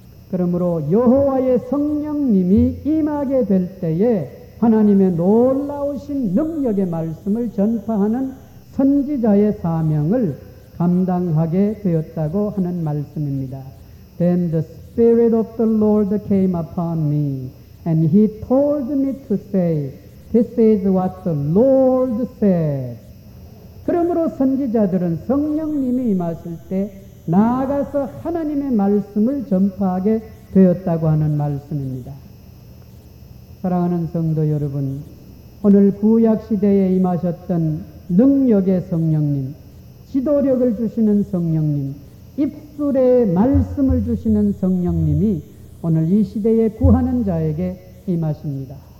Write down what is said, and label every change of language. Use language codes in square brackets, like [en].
[ko] 그러므로 여호와의 성령님이 임하게 될 때에 하나님의 놀라우신 능력의 말씀을 전파하는 선지자의 사명을 감당하게 되었다고 하는 말씀입니다. [en] Then the Spirit of the Lord came upon me, and he told me to say, This is what the Lord said. [ko] 그러므로 선지자들은 성령님이 임하실 때 나아가서 하나님의 말씀을 전파하게 되었다고 하는 말씀입니다. 사랑하는 성도 여러분, 오늘 구약 시대에 임하셨던 능력의 성령님, 지도력을 주시는 성령님, 입술에 말씀을 주시는 성령님이 오늘 이 시대에 구하는 자에게 임하십니다.